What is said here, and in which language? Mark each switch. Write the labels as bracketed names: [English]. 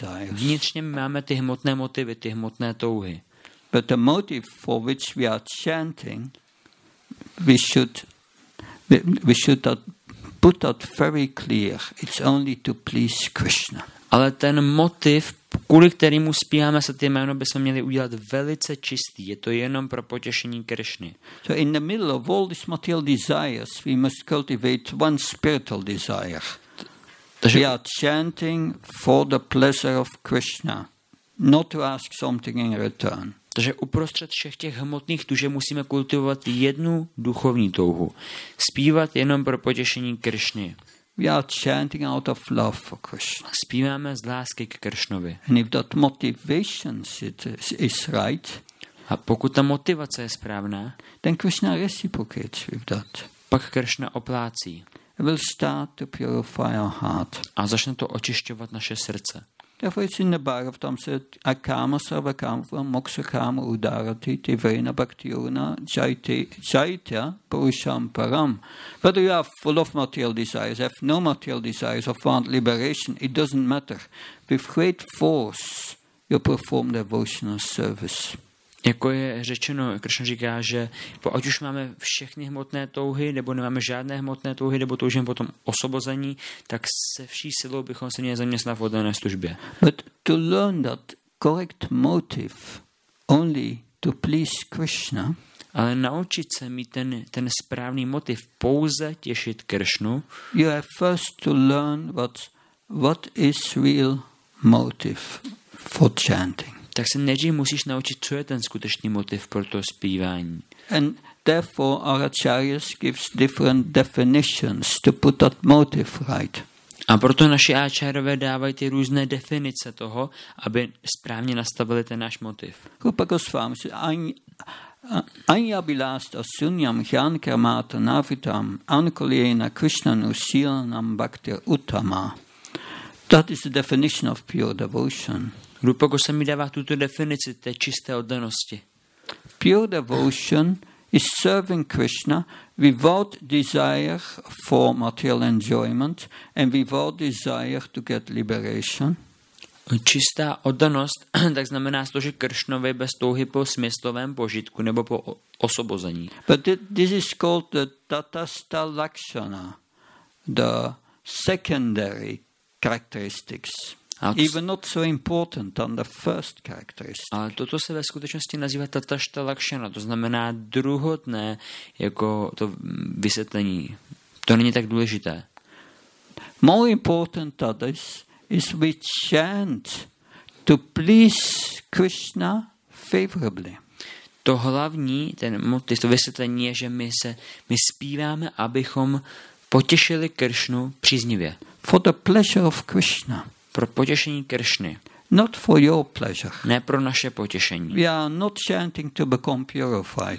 [Czech] Vnitřně máme ty hmotné motivy, ty hmotné touhy. [English] But the motive for which we are chanting, we should that put that very clear. It's only to please Krishna. [Czech] Ale ten motiv, kvůli kterému zpíváme se ty jméno, bychom měli udělat velice čistý. Je to jenom pro potěšení Krišny. [English] So in the middle of all these material desires, we must cultivate one spiritual desire. We are chanting for the pleasure of Krishna, not to ask something in return. [Czech] Takže uprostřed všech těch hmotných tužeb musíme kultivovat jednu duchovní touhu. Zpívat jenom pro potěšení Krišny. [English] We are chanting out of love for Krishna. [Czech] Zpíváme z lásky k Krishnovi. [English] And if that motivation is right, [Czech] a pokud ta motivace je správná, [English] then Krishna reciprocates with that. [Czech] Pak Krishna oplácí. [English] It will start to purify our heart. [Czech] A začne to očišťovat naše srdce. [English] Therefore it's in the Bhagavatam said, [Sanskrit] akama sarva kama moksha kama udarati te vena bhakti yuna jaita purusham param. [English] Whether you are full of material desires, have no material desires or want liberation, it doesn't matter. With great force you perform devotional service. [Czech] Jako je řečeno, Krishna říká, že ať už máme všechny hmotné touhy, nebo nemáme žádné hmotné touhy, nebo toužíme potom osobození, tak se vší silou bychom se měli zaměstnat v oddané službě. [English] But to learn that correct motive only to please Krishna, [Czech] ale naučit se mít ten správný motiv pouze těšit Krishnu, [English] you have first to learn what is real motive for chanting. [Czech] Tak se nejdřív musíš naučit, co je ten skutečný motiv pro to zpívání. [English] And therefore our acharyas gives different definitions to put that motive right. [Czech] A proto naši áčárové dávají ty různé definice toho, aby správně nastavili ten náš motiv. [Sanskrit] Rupa Goswami říká, ani abilást asunyam hyankarmata navitam ankulyena krishnanu silanam bhakti uttama. [English] That is the definition of pure devotion. [Czech] Rupa Goswami dává tuto definici té čisté oddanosti. [English] Pure devotion is serving Krishna without desire for material enjoyment and without desire to get liberation. [Czech] Čistá oddanost tak znamená to, že Krishnovi bez touhy po smyslovém požitku nebo po osobození. [English] But this is called the tatastha lakshana, the secondary characteristics. Even not so important than the first characteristic. [Czech] Ale toto se ve skutečnosti nazývá tatashta lakshana, to znamená druhotné jako to vysvětlení. To není tak důležité. [English] More important than this is we chant to please Krishna favorably. [Czech] To hlavní, ten motiv, to vysvětlení je, že my zpíváme, abychom potěšili Krishnu příznivě. [English] For the pleasure of Krishna. [Czech] Pro potěšení Krishny. [English] Not for your pleasure. [Czech] Ne pro naše potěšení. [English] We are not chanting to become purified.